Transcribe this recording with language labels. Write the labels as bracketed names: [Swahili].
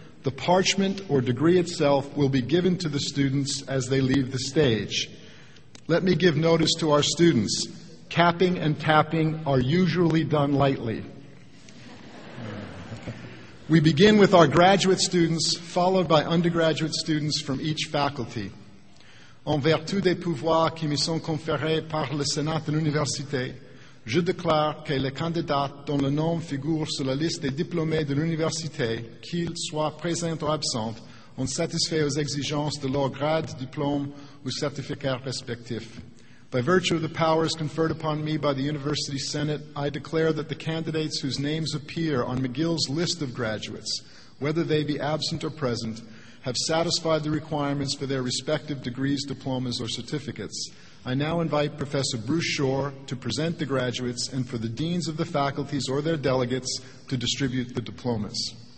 [English] The parchment or degree itself will be given to the students as they leave the stage. Let me give notice to our students. Capping and tapping are usually done lightly. We begin with our graduate students, followed by undergraduate students from each faculty. [French] En vertu des pouvoirs qui me sont conférés par le Sénat de l'Université, je déclare que les candidats dont le nom figure sur la liste des diplômés de l'Université, qu'ils soient présents ou absents, ont satisfait aux exigences de leur grade, diplôme ou certificat respectif. [English] By virtue of the powers conferred upon me by the University Senate, I declare that the candidates whose names appear on McGill's list of graduates, whether they be absent or present, have satisfied the requirements for their respective degrees, diplomas, or certificates. I now invite Professor Bruce Shore to present the graduates and for the deans of the faculties or their delegates to distribute the diplomas.